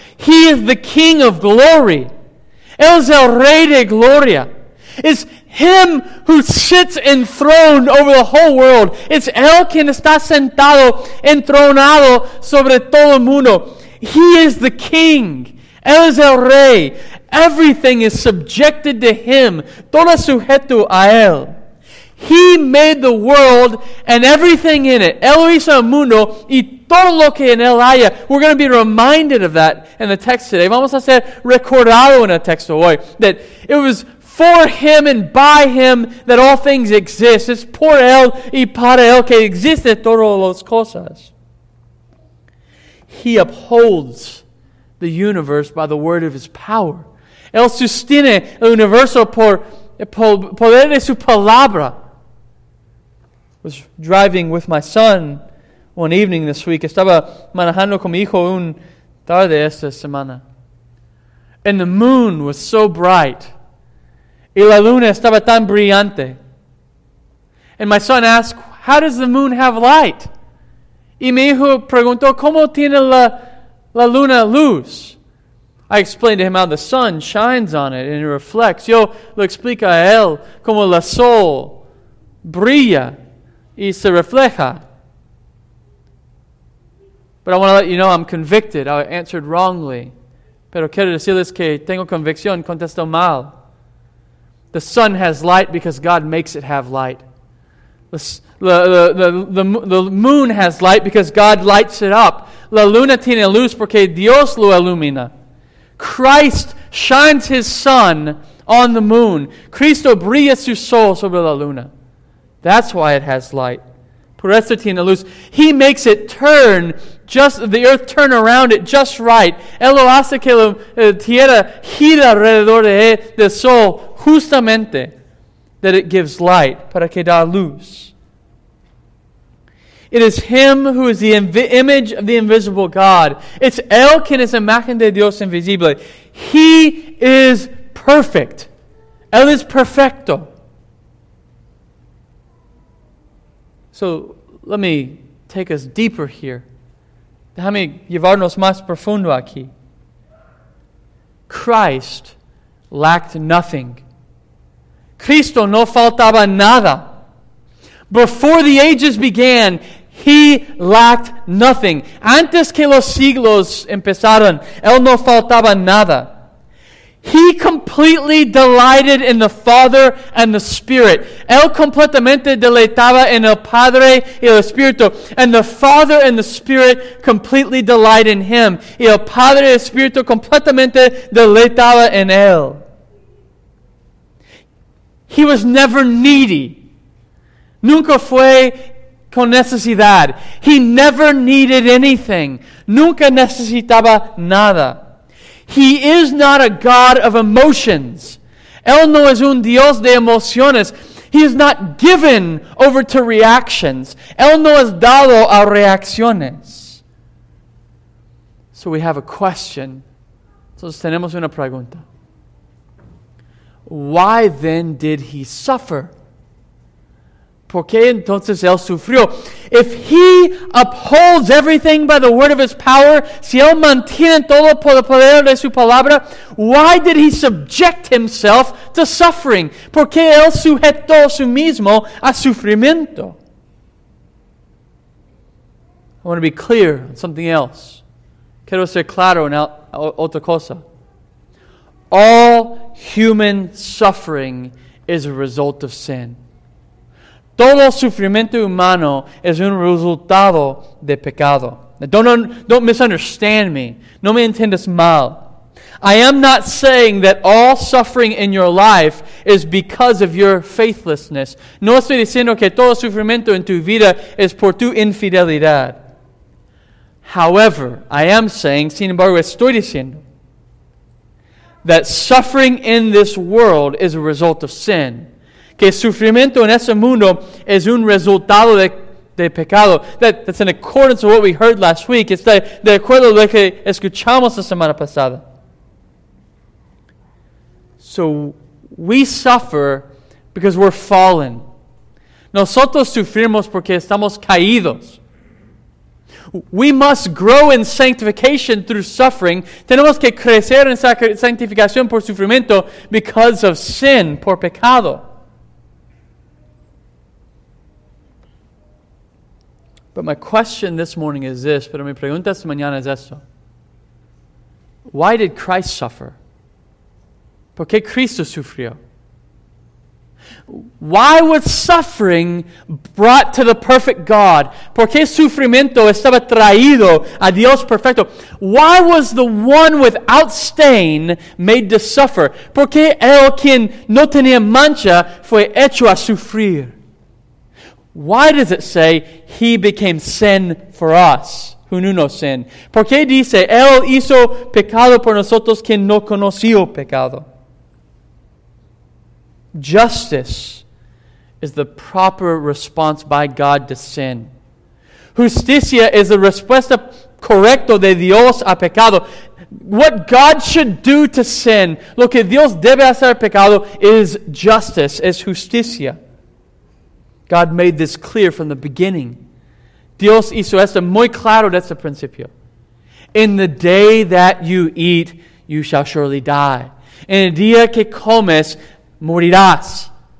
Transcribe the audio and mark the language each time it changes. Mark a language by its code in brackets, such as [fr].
[en] He is the King of glory. [es] Él es el Rey de gloria. [en] It's Him who sits enthroned over the whole world. [es] It's Él quien está sentado, entronado sobre todo el mundo. [en] He is the King. [es] Él es el rey. [en] Everything is subjected to him. [es] Todo sujeto a él. [en] He made the world and everything in it. [es] Él hizo el mundo y todo lo que en él haya. [en] We're going to be reminded of that in the text today. [es] Vamos a ser recordado en el texto hoy. [en] That it was for him and by him that all things exist. [es] Es por él y para él que existen todas las cosas. [en] He upholds the universe by the word of his power. [es] Él sostiene el universo por el poder de su palabra. [en] I was driving with my son one evening this week. [es] Estaba manejando con mi hijo un tarde esta semana. [en] And the moon was so bright. [es] Y la luna estaba tan brillante. [en] And my son asked, how does the moon have light? [es] Y mi hijo preguntó, ¿cómo tiene la luna luz? [en] I explained to him how the sun shines on it and it reflects. [es] Yo lo explico a él cómo la sol brilla y se refleja. [en] But I want to let you know I'm convicted. I answered wrongly. [es] Pero quiero decirles que tengo convicción. Contesto mal. [en] The sun has light because God makes it have light. The moon has light because God lights it up. [es] La luna tiene luz porque Dios lo ilumina. [en] Christ shines his sun on the moon. [es] Cristo brilla su sol sobre la luna. [en] That's why it has light. [es] Por eso tiene luz. [en] He makes it turn, just the earth turn around it just right. [es] Él lo hace que la tierra gira alrededor de él, del sol, justamente, [en] that it gives light, [es] para que da luz. [en] It is him who is the image of the invisible God. [es] It's él quien es imagen de Dios invisible. [en] He is perfect. [es] Él es perfecto. [en] So let me take us deeper here. [es] Déjame llevarnos más profundo aquí. [en] Christ lacked nothing. [es] Cristo no faltaba nada. [en] Before the ages began, he lacked nothing. [es] Antes que los siglos empezaron, él no faltaba nada. [en] He completely delighted in the Father and the Spirit. [es] Él completamente deleitaba en el Padre y el Espíritu. [en] And the Father and the Spirit completely delight in him. [es] Y el Padre y el Espíritu completamente deleitaba en él. [en] He was never needy. [es] Nunca fue con necesidad. [en] He never needed anything. [es] Nunca necesitaba nada. [en] He is not a God of emotions. [es] Él no es un Dios de emociones. [en] He is not given over to reactions. [es] Él no es dado a reacciones. [en] So we have a question. [es] Entonces tenemos una pregunta. [en] Why then did he suffer? [es] ¿Por qué entonces él sufrió? [en] If he upholds everything by the word of his power, [es] si él mantiene todo por el poder de su palabra, [en] why did he subject himself to suffering? [es] ¿Por qué él sujetó su mismo a sufrimiento? [en] I want to be clear on something else. [es] Quiero ser claro en otra cosa. [en] All human suffering is a result of sin. [es] Todo sufrimiento humano es un resultado de pecado. [en] Now, don't misunderstand me. [es] No me entiendas mal. [en] I am not saying that all suffering in your life is because of your faithlessness. [es] No estoy diciendo que todo sufrimiento en tu vida es por tu infidelidad. [en] However, I am saying, [es] sin embargo, estoy diciendo [en] that suffering in this world is a result of sin. [es] Que sufrimiento en ese mundo es un resultado de pecado. [en] That's in accordance with what we heard last week. [es] Está de acuerdo a lo que escuchamos la semana pasada. [en] So, we suffer because we're fallen. [es] Nosotros sufrimos porque estamos caídos. [en] We must grow in sanctification through suffering. [es] Tenemos que crecer en santificación por sufrimiento [en] because of sin, [es] por pecado. [en] But my question this morning is this, [es] pero mi pregunta esta mañana es esto. [en] Why did Christ suffer? [es] ¿Por qué Cristo sufrió? [en] Why was suffering brought to the perfect God? [es] ¿Por qué sufrimiento estaba traído a Dios perfecto? [en] Why was the one without stain made to suffer? [es] ¿Por qué el quien no tenía mancha fue hecho a sufrir? [en] Why does it say he became sin for us who knew no sin? [es] ¿Por qué dice él hizo pecado por nosotros quien no conoció pecado? [en] Justice is the proper response by God to sin. [es] Justicia [en] is the [es] respuesta correcta de Dios a pecado. [en] What God should do to sin, [es] lo que Dios debe hacer a pecado, [en] is justice, [es] es justicia. [en] God made this clear from the beginning. [es] Dios hizo esto muy claro desde el principio. [en] In the day that you eat, you shall surely die. [es] En el día que comes, morirás.